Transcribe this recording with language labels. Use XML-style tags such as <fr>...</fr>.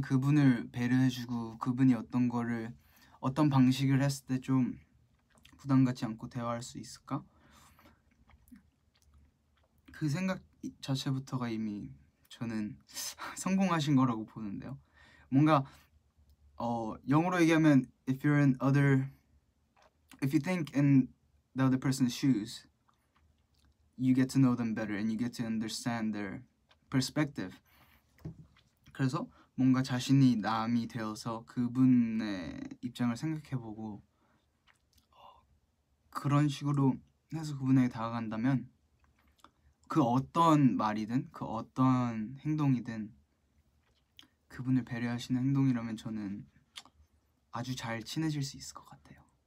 <ko>그분을 배려해주고 그분이 어떤 거를 어떤 방식을 했을 때좀 부담 갖지 않고 대화할 수 있을까? 그 생각 자체부터가 이미 저는 성공하신 거라고 보는데요. 뭔가 영어로 얘기하면</ko> <en>if you're in other if you think in the other person's shoes, you get to know them better and you get to understand their perspective.</en> <ko>그래서 뭔가 자신이 남이 되어서 그분의 입장을 생각해보고 그런 식으로 해서 그분에게 다가간다면 그 어떤 말이든 그 어떤 행동이든 그분을 배려하시는 행동이라면 저는 아주 잘 친해질 수 있을 것 같아요.</ko>